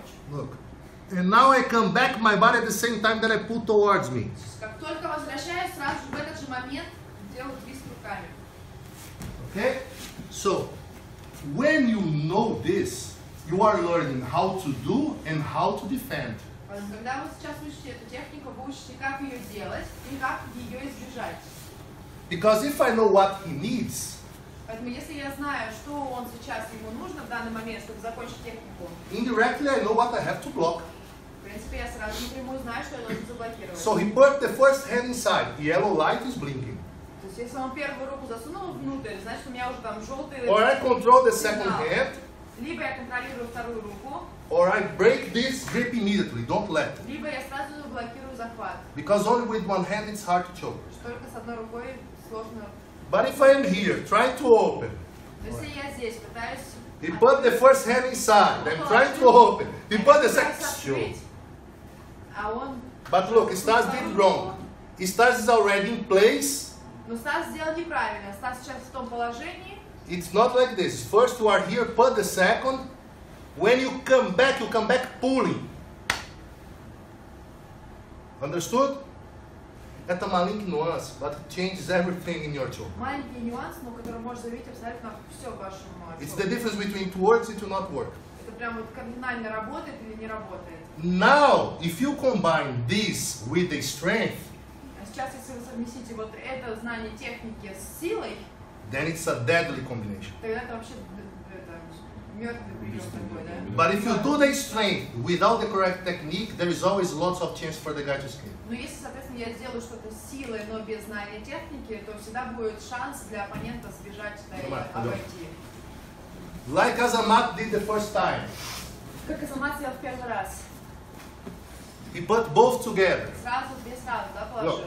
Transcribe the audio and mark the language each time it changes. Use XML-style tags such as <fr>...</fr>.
<en>Look. And now I come back my body at the same time that I pull towards me.</en> <ru>Как только возвращаюсь, сразу же в этот же момент делаю твист руками. Okay?</ru> <en>So, when you know this, you are learning how to do and how to defend.</en> <ru>Когда вы сейчас учите эту технику, вы учите, как ее делать и как ее избежать.</ru> <en>Because if I know what he needs,</en> <ru>поэтому если я знаю, что он сейчас ему нужно в данный момент, чтобы закончить технику,</ru> <en>indirectly I know what I have to block.</en> <ru>В принципе, я сразу напрямую знаю, что я должен заблокировать.</ru> <en>So he put the first hand inside. The yellow light is blinking.</en> <ru>То есть, если он первую руку засунул внутрь, значит, у меня уже там желтый.</ru> <en>Or I control the second hand.</en> <ru>Либо я контролирую вторую руку.</ru> <en>Or I break this grip immediately. Don't let.</en> <ru>Либо я сразу заблокирую захват.</ru> <en>Because only with one hand it's hard to choke.</en> <ru>Только с одной рукой сложно.</ru> <en>But if I am here, try to open.</en> <ru>Если я здесь, пытаюсь.</ru> <en>He put the first hand inside. I'm trying to open. He put the second. But look, Stas did wrong. Stas is already in place.</en> <ru>Но Стас сделал неправильно. Стас сейчас в том положении.</ru> <en>It's not like this. First you are here, put the second. When you come back pulling. Understood?</en> <ru>Это маленький нюанс,</ru> <en>but it changes everything in your choke.</en> <ru>Маленький нюанс, но который может заявить абсолютно все в вашем choke.</ru> <en>It's the difference between to work and to not work.</en> <ru>Это прям вот кардинально работает или не работает.</ru> <en>Now, if you combine this with the strength,</en> <ru>а сейчас, если вы совместите вот это знание техники с силой,</ru> <en>then it's a deadly combination.</en> <ru>Тогда это вообще мертвый прием.</ru> <en>But if you do the strength without the correct technique, there is always lots of chance for the guy to escape.</en> <ru>Но если, соответственно, я сделаю что-то с силой, но без знания техники, то всегда будет шанс для оппонента сбежать и обойти.</ru> <en>Like Azamat did the first time.</en> <ru>Как Азамат сделал в первый раз.</ru> <en>He put both together.</en> <ru>Сразу, две сразу, да, положил?</ru>